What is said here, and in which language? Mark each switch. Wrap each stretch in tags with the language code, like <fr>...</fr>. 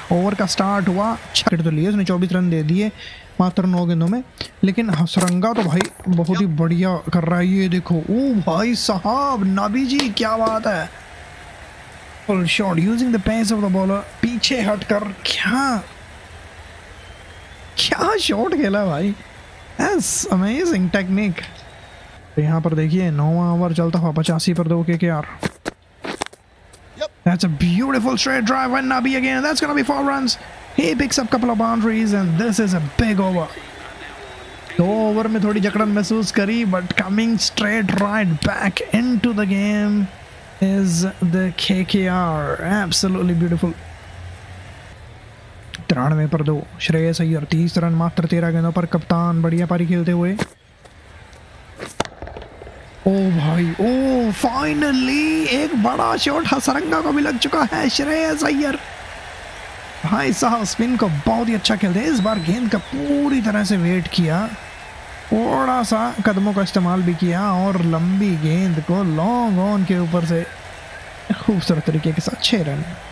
<hi>Over का start हुआ, छक्के तो लिए उसने, 24 रन दे दिए मात्र 9 गेंदों में, लेकिन हसरंगा तो भाई बहुत ही बढ़िया कर रहा है। ये देखो, ओ भाई साहब नाबी जी क्या बात है,</hi> <en>full shot using the pace of the bowler,</en> <hi>पीछे हट कर क्या शॉट खेला भाई,</hi> <en>As amazing technique.</en> <hi>यहाँ पर देखिए 9वां ओवर चलता हुआ, 85 पर 2 KKR।</hi> <en>That's a beautiful straight drive and Nabi again, that's gonna be 4 runs. He picks up couple of boundaries and this is a big over.</en> <hi>दो ओवर में थोड़ी जकड़न महसूस करी,</hi> <en>but coming straight right back into the game is the KKR. Absolutely beautiful.</en> <hi>93 पर 2 Shreyas Iyer, 30 run मात्र 13 गेंदों पर, कप्तान बढ़िया पारी खेलते हुए। ओ भाई, ओ फाइनली एक बड़ा शॉट हसरंगा को भी लग चुका है, श्रेयस अय्यर भाई साहब स्पिन को बहुत ही अच्छा खेलते हैं। इस बार गेंद का पूरी तरह से वेट किया, थोड़ा सा कदमों का इस्तेमाल भी किया और लंबी गेंद को लॉन्ग ऑन के ऊपर से खूबसूरत तरीके के साथ 6 रन।</hi>